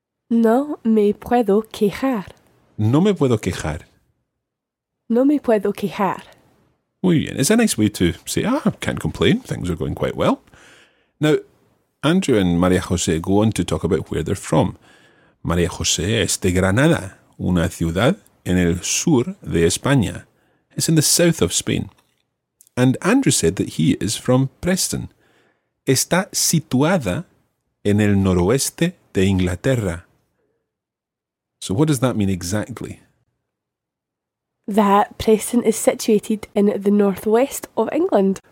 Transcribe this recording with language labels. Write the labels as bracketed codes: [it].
[es] No me puedo quejar. No me puedo quejar. No me puedo quejar. Muy bien. [en] It's a nice way to say, can't complain, things are going quite well. Now, Andrew and María José go on to talk about where they're from. [es] María José es de Granada, una ciudad en el sur de España. [en] It's in the south of Spain. And Andrew said that he is from Preston. [es] Está situada en el noroeste de Inglaterra. [en] So what does that mean exactly? That Preston is situated in the northwest of England.